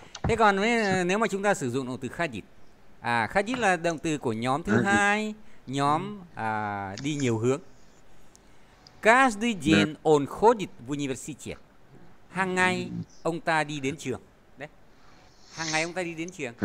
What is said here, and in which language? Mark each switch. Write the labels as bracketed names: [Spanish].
[Vietnamese] Thế còn nếu mà chúng ta sử dụng động từ khajit. À, khajit là động từ của nhóm thứ hai, nhóm đi nhiều hướng. [Russian] Каждый день он ходит в университет. [Vietnamese] Hàng ngày ông ta đi đến trường. Đấy. Hàng ngày ông ta đi đến trường.